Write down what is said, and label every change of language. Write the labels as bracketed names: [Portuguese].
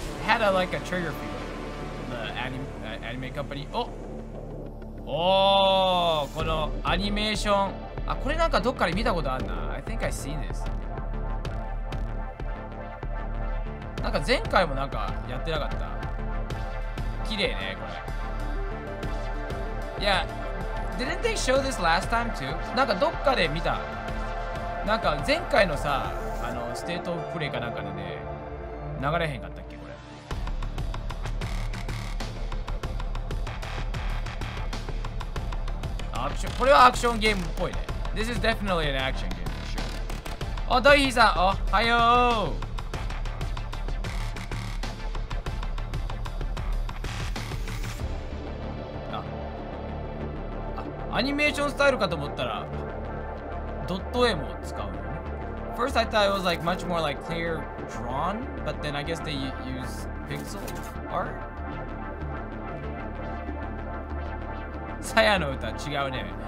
[English] Had a, like a trigger feel. The anime company. お。 [Japanese] おー、このアニメーション。あ、これなんかどっかで見たことあるな。 [English] I think I seen this。 [Japanese] なんか前回もなんかやってなかった。綺麗ねこれ。 [English] Yeah, didn't they show this last time too? [Japanese] なんかどっかで見た。なんか前回のさ、あのステートプレイかなんかでね、流れへんかったっけこれ。アクション、これはアクションゲームっぽいね。 [English] This is definitely an action game for sure. [Japanese] あ、ドイヒーさん、おはよう。アニメーションスタイルかと思ったらドット絵も使う。 [English] First I thought it was like much more like clear drawn, but then I guess they use pixel art. [Japanese] サヤの歌違うね。